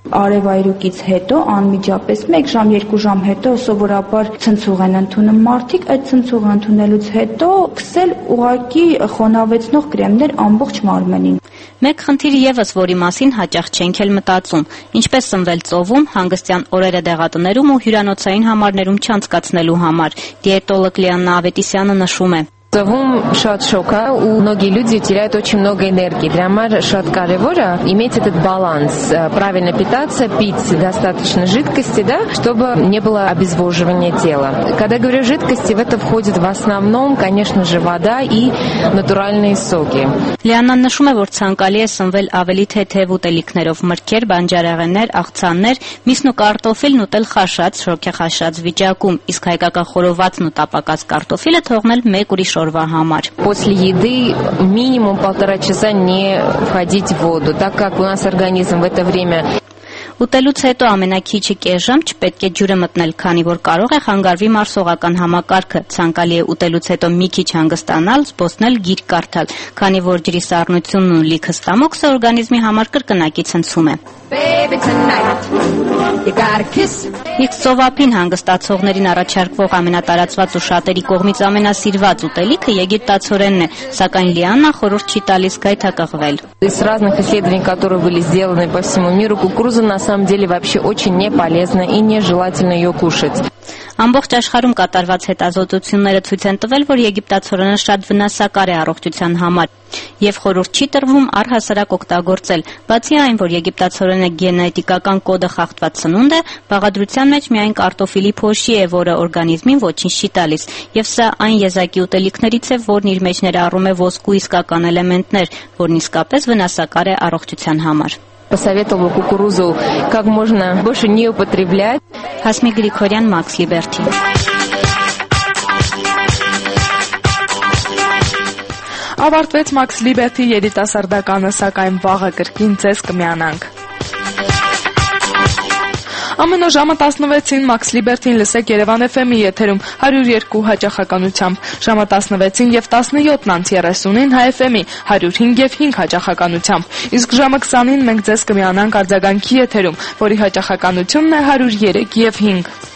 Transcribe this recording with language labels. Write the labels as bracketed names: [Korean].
[Armenian] Արևայրուքից հետո անմիջապես 1 ժամ, 2 ժամ հետո սովորաբար ցնցուղ են ընդունում մարդիկ, այդ ցնցուղը ընդունելուց հետո քսել ուղակի խոնավեցնող կրեմներ ամբողջ մարմնին։ Մեկ խնդիր ևս, որի մասին հաճախ չենք էլ մտածում, ինչպես ծնվել ծովում, հանգստյան օրերը դեղատներում ու հյուրանոցային համարներում չանցկացնելու համար, դիետոլոգ Լիաննա Ավետիսյանը նշում է. Ծովում շատ շոգ է ու [Russian] многие люди теряют очень много энергии. Для меня [Armenian] շատ կարևորը [Russian] иметь этот баланс, правильно питаться, пить достаточно жидкости, да, чтобы не было обезвоживания тела. Когда говорю жидкости, в это входит в основном, конечно же, вода и натуральные соки. [Armenian] Լիաննան նշում է, որ ցանկալի է սնվել ավելի թեթև ուտելիքներով, մրգեր, բանջարեղեններ, աղցաններ, միսն ու կարտոֆիլն ուտել խաշած, շոգեխաշած վիճակում, իսկ հայկական խորոված ու տապակած կարտոֆիլը թողնել մեկ ուրիշ օրվա համար։ [Russian] После еды минимум 1.5 часа не входить в воду, так как у нас организм в это время. [Armenian] Ուտելուց հետո ամենաքիչը կես ժամ չպետք է ջուրը մտնել, քանի որ կարող է խանգարվի մարսողական համակարգը, ցանկալի է ուտելուց հետո մի քիչ հանգստանալ, զբոսնել, գիրք կարդալ, քանի որ ջրի սառնությունն ու լիքը ստամոքսը օրգանիզմի համար կրկնակի ցնցում է։ Իսկ ծովափին հանգստացողներին առաջարկվող ամենատարածված ու շատերի կողմից ամենասիրված ուտելիքը եգիպտացորենն է, սակայն Լիաննա խորհուրդ չի տալիս գայթակղվել։ [Russian] На самом деле вообще очень не полезно и нежелательно ее кушать. [Armenian] Ամբողջ աշխարհում կատարված հետազոտությունները ցույց են տվել, որ եգիպտացորենը շատ վնասակար է առողջության համար, և խորհուրդ չի տրվում առհասարակ օգտագործել, բացի այն, որ եգիպտացորենը գենետիկական կոդը խախտված սնունդ է, բաղադրության մեջ միայն կարտոֆիլի փոշի է, որը օրգանիզմին ոչինչ չի տալիս, և սա այն եզակի ուտելիքներից է, որն իր մեջ ներառում է ոսկու իսկական էլեմենտներ, որն իսկապես վնասակար է առողջության համար։ [Russian] Посоветовала кукурузу как можно больше не употреблять. Хасми Григорян, Макс Либерти. [Armenian] Ավարտվեց Макс Либерти երիտասարդականը, սակայն վաղը կրկին ձեզ կմիանանք. Ամեն օր ժամը 16-ին Max Liberty-ին լսեք Երևան FM-ի եթերում 102 հաճախականությամբ, ժամը 16-ին եւ 17:30-ին Հայ FM-ի 105 եւ 5 հաճախականությամբ։ Իսկ ժամը 20-ին մենք ձեզ կմիանանք արձագանքի եթերում, որի հաճախականությունն է 103 եւ 5։